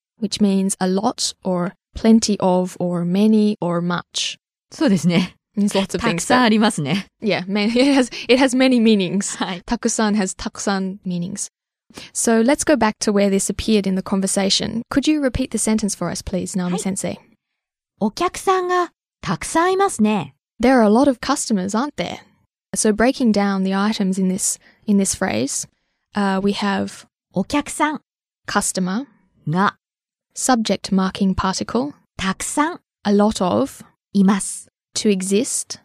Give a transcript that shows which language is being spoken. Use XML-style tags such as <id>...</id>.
<en>which means a lot or plenty of or many or much.</en> <ja>そうですね</ja> <en>There's lots of things.</en> <ja>たくさんありますね</ja> <en>Yeah, it has many meanings.</en> <ja>はい、</ja> <en>たくさん has たくさん meanings. So let's go back to where this appeared in the conversation. Could you repeat the sentence for us, please, Naomi-sensei?</en> <ja>お客さんがたくさんいますね。</ja> <en>There are a lot of customers, aren't there? So breaking down the items in this phrase, we have</en> <ja>お客さん</ja> <en>customer</en> <ja>が</ja> <en>subject marking particle</en> <ja>たくさん</ja> <en>a lot of</en> <ja>います</ja> <en>to exist</en>